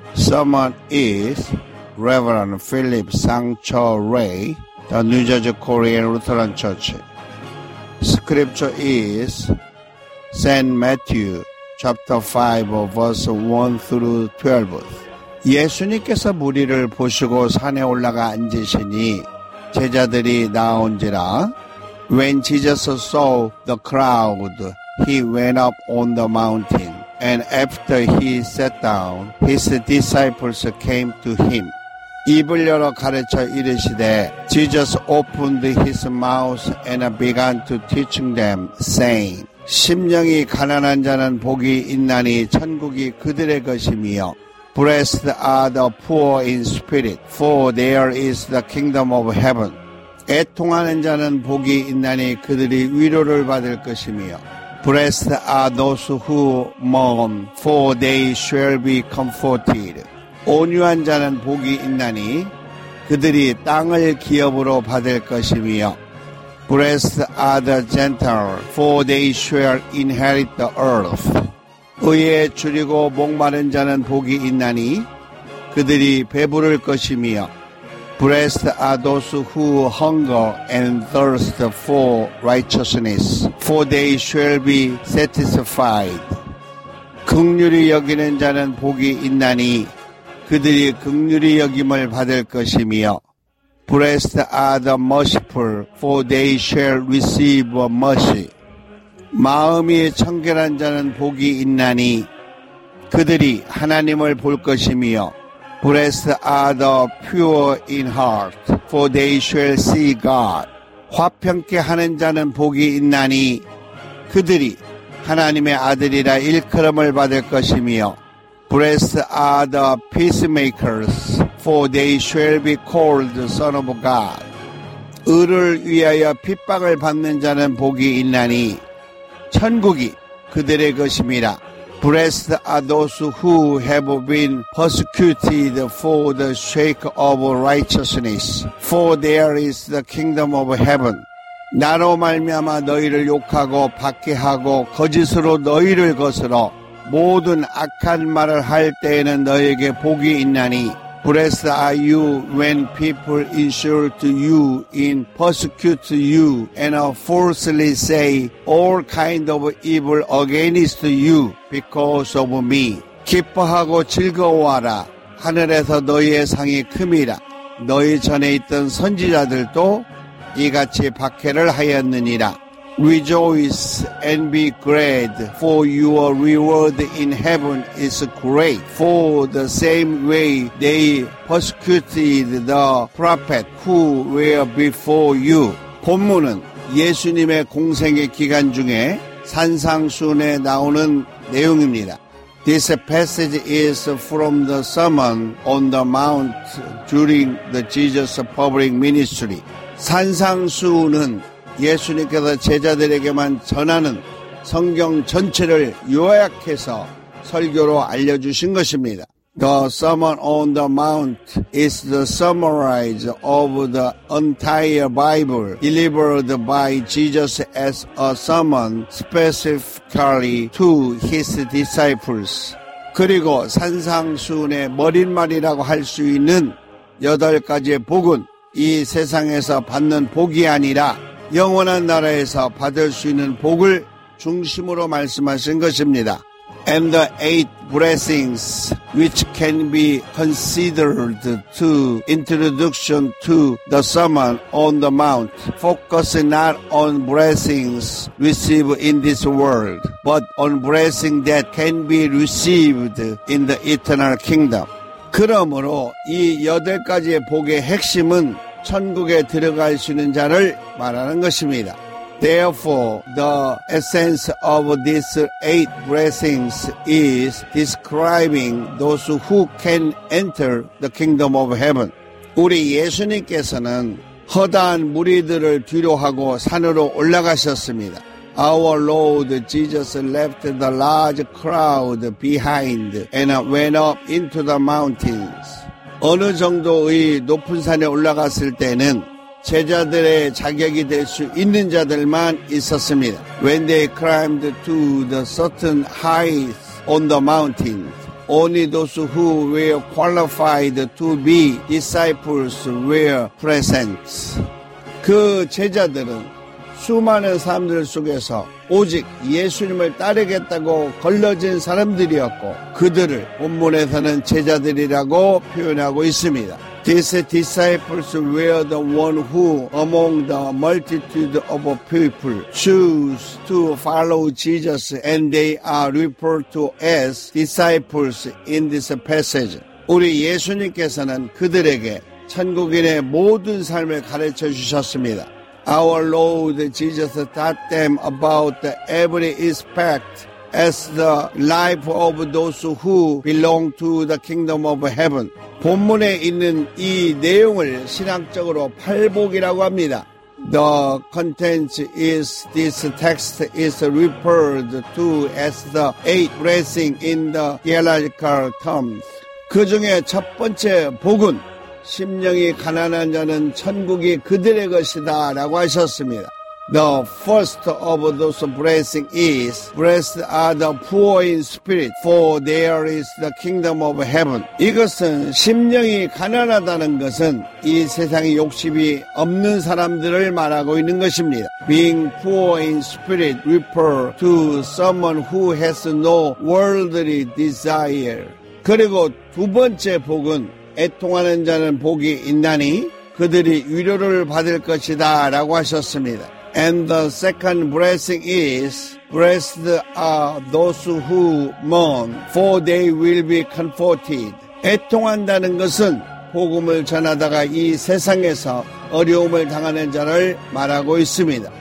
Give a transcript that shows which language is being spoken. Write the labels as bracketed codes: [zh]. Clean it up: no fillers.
[en] Someone is Reverend Philip Sang-cho Ray, the New Jersey Korean Lutheran Church. Scripture is St. Matthew chapter 5 verse 1 through 12. [ko] 예수님께서 무리를 보시고 산에 올라가 앉으시니 제자들이 나온지라. [en] When Jesus saw the crowd, he went up on the mountain. And after he sat down, his disciples came to him. [ko] 입을 열어 가르쳐 이르시되, [en] Jesus opened his mouth and began to teach them, saying, [ko] 심령이 가난한 자는 복이 있나니 천국이 그들의 것임이요. [en] Blessed are the poor in spirit, for there is the kingdom of heaven. [ko] 애통하는 자는 복이 있나니 그들이 위로를 받을 것임이요. [en] Blessed are those who mourn, for they shall be comforted. [ko] 온유한 자는 복이 있나니 그들이 땅을 기업으로 받을 것임이요. [en] Blessed are the gentle, for they shall inherit the earth. [ko] 의에 주리고 목마른 자는 복이 있나니 그들이 배부를 것임이요. [en] Blessed are those who hunger and thirst for righteousness, for they shall be satisfied. [ko] 긍휼히 여기는 자는 복이 있나니 그들이 긍휼히 여김을 받을 것임이요. [en] Blessed are the merciful, for they shall receive mercy. [ko] 마음이 청결한 자는 복이 있나니 그들이 하나님을 볼 것임이요. [en] Blessed are the pure in heart, for they shall see God. [ko] 화평케 하는 자는 복이 있나니 그들이 하나님의 아들이라 일컬음을 받을 것임이요. [en] Blessed are the peacemakers, for they shall be called the son of God. [ko] 의를 위하여 핍박을 받는 자는 복이 있나니 천국이 그들의 것임이라. [en] Blessed are those who have been persecuted for the sake of righteousness, for there is the kingdom of heaven. [ko] 나로 말미암아 너희를 욕하고 박해하고 거짓으로 너희를 거스러 모든 악한 말을 할 때에는 너에게 복이 있나니 [en] Blessed are you when people insult you and persecute you and falsely say all kind of evil against you because of me. [ko] 기뻐하고 즐거워하라. 하늘에서 너희의 상이 큼이라. 너희 전에 있던 선지자들도 이같이 박해를 하였느니라. [en] Rejoice and be glad, for your reward in heaven is great. For the same way they persecuted the prophet who were before you. [ko] 본문은 예수님의 공생애 기간 중에 산상순에 나오는 내용입니다. [en] This passage is from the Sermon on the Mount during the Jesus public ministry. [ko] 산상순은 예수님께서 제자들에게만 전하는 성경 전체를 요약해서 설교로 알려주신 것입니다. [en] The Sermon on the Mount is the summarized of the entire Bible delivered by Jesus as a sermon specifically to his disciples. [ko] 그리고 산상수훈의 머릿말이라고 할 수 있는 여덟 가지의 복은 이 세상에서 받는 복이 아니라 영원한 나라에서 받을 수 있는 복을 중심으로 말씀하신 것입니다. [en] And the eight blessings which can be considered to introduction to the Sermon on the Mount focus not on blessings received in this world, but on blessing that can be received in the eternal kingdom. [ko] 그러므로 이 여덟 가지의 복의 핵심은 천국에 들어갈 수 있는 자를 말하는 것입니다. [en] Therefore, the essence of these eight blessings is describing those who can enter the kingdom of heaven. [ko] 우리 예수님께서는 허다한 무리들을 뒤로 하고 산으로 올라가셨습니다. [en] Our Lord Jesus left the large crowd behind and went up into the mountains. [ko] 어느 정도의 높은 산에 올라갔을 때는 제자들의 자격이 될 수 있는 자들만 있었습니다. [en] When they climbed to the certain heights on the mountains, only those who were qualified to be disciples were present. [ko] 그 제자들은 수많은 사람들 속에서 오직 예수님을 따르겠다고 걸러진 사람들이었고 그들을 본문에서는 제자들이라고 표현하고 있습니다. [en] These disciples were the ones who among the multitude of people choose to follow Jesus and they are referred to as disciples in this passage. [ko] 우리 예수님께서는 그들에게 천국인의 모든 삶을 가르쳐 주셨습니다. [en] Our Lord Jesus taught them about every aspect as the life of those who belong to the kingdom of heaven. [ko] 본문에 있는 이 내용을 신학적으로 팔복이라고 합니다. [en] The content is this text is referred to as the eight blessings in the theological terms. [ko] 그 중에 첫 번째 복은 심령이 가난한 자는 천국이 그들의 것이다 라고 하셨습니다. [en] The first of those blessings is Blessed are the poor in spirit for there is the kingdom of heaven. [ko] 이것은 심령이 가난하다는 것은 이 세상에 욕심이 없는 사람들을 말하고 있는 것입니다. [en] Being poor in spirit refers to someone who has no worldly desire. [ko] 그리고 두 번째 복은 애통하는 자는 복이 있나니 그들이 위로를 받을 것이다 라고 하셨습니다. [en] And the second blessing is Blessed are those who mourn for they will be comforted. [ko] 애통한다는 것은 복음을 전하다가 이 세상에서 어려움을 당하는 자를 말하고 있습니다.